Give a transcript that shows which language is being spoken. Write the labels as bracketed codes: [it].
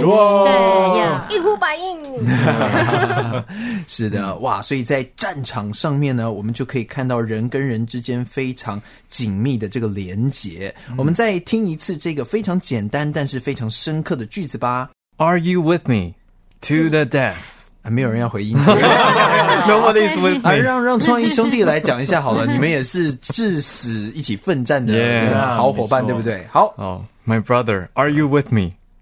[zh] 哇，一呼百应。是的，哇，所以在战场上面呢，我们就可以看到人跟人之间非常紧密的这个连结。我们再听一次这个非常简单但是非常深刻的句子吧。 [en] Are you with me to the death？ [zh] 没有人要回应 [en] Nobody's with me。 [zh] 让创意兄弟来讲一下好了，你们也是至死一起奋战的 [en] yeah, [zh] 好伙伴，对不对？好、 [en] oh, My brother, are you with me